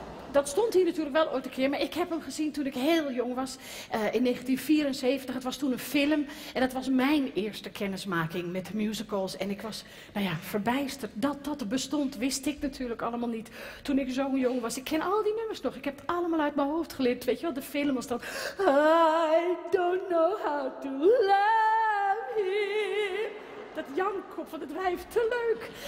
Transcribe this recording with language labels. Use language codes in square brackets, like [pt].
[nl] Dat stond hier natuurlijk wel ooit een keer, maar ik heb hem gezien toen ik heel jong was, in 1974. Het was toen een film en dat was mijn eerste kennismaking met musicals. En ik was, nou ja, verbijsterd dat dat bestond, wist ik natuurlijk allemaal niet toen ik zo jong was. Ik ken al die nummers nog, ik heb het allemaal uit mijn hoofd geleerd. Weet je wel, de film was dan... [en] I don't know how to love him. [nl] Dat jankkop van het wijf, te leuk.